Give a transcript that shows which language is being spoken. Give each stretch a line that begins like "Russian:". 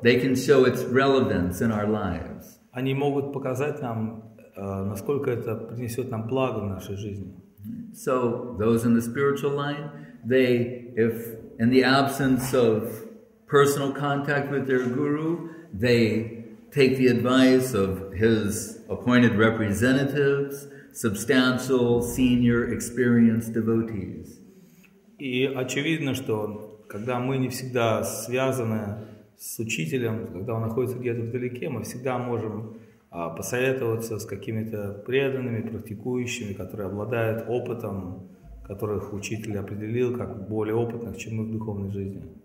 English: They can show its relevance in our lives.
Russian: Они могут показать нам, насколько это принесет нам благо в нашей жизни.
English: So, those in the spiritual line, they, if in the absence of personal contact with their guru, they take the advice of his appointed representatives, substantial, senior, experienced devotees.
Russian: И очевидно, что когда мы не всегда связаны с учителем, когда он находится где-то вдалеке, мы всегда можем посоветоваться с какими-то преданными, практикующими, которые обладают опытом, которых учитель определил как более опытных, чем мы в духовной жизни.